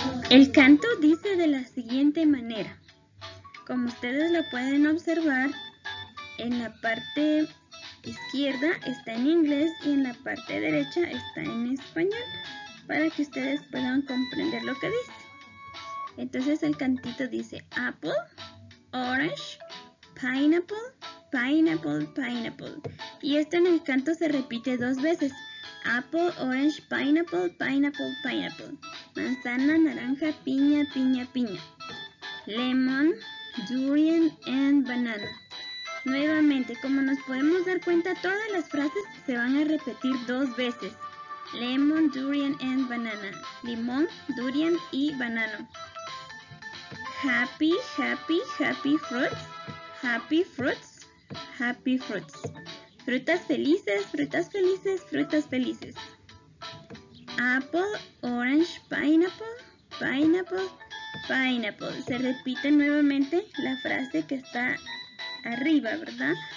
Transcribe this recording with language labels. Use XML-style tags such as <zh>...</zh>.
<es>El canto dice de la siguiente manera. Como ustedes lo pueden observar, en la parte izquierda está en inglés y en la parte derecha está en español, para que ustedes puedan comprender lo que dice. Entonces el cantito dice</es> <en>apple, orange, pineapple, pineapple, pineapple.</en> <es>Y esto en el canto se repite dos veces.</es> <en>Apple, orange, pineapple, pineapple, pineapple.</en> <es>Manzana, naranja, piña, piña, piña.</es> <en>Lemon, durian and banana.</en> <es>Nuevamente, como nos podemos dar cuenta, todas las frases se van a repetir dos veces.</es> <en>Lemon, durian and banana.</en> <es>Limón, durian y banano.</es> <en>Happy, happy, happy fruits. Happy fruits, happy fruits.</en> <es>Frutas felices, frutas felices, frutas felices.</es> <en>Apple, orange, pineapple, pineapple, pineapple.</en> <es>Se repite nuevamente la frase que está arriba, ¿verdad?</es>